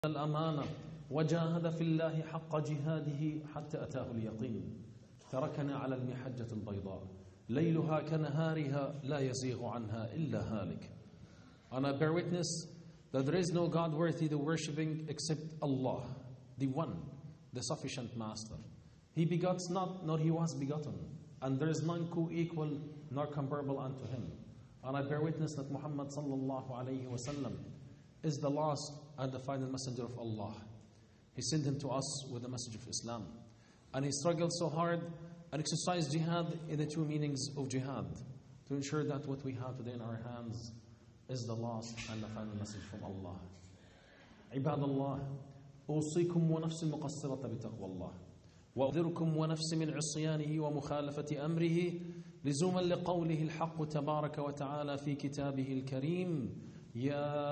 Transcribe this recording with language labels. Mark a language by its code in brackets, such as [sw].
[ar] الأمانة وجاهد في الله حق جهاده حتى أتاه اليقين. تركنا على المحجة البيضاء ليلها كنهارها لا يزيغ عنها إلا هالك. [en] And I bear witness that there is no God worthy the worshipping except Allah, the One, the Sufficient Master. He begots not, nor He was begotten. And there is none co equal nor comparable unto Him. And I bear witness that Muhammad sallallahu alayhi wa sallam is the last and the final messenger of Allah. He sent him to us with the message of Islam. And he struggled so hard and exercised jihad in the true meanings of jihad to ensure that what we have today in our hands is the last and the final message from Allah. [ar] عباد الله أوصيكم ونفس المقصرة بتقوى الله وأذركم ونفس من عصيانه ومخالفة أمره لزوما لقوله الحق تبارك وتعالى في كتابه الكريم يا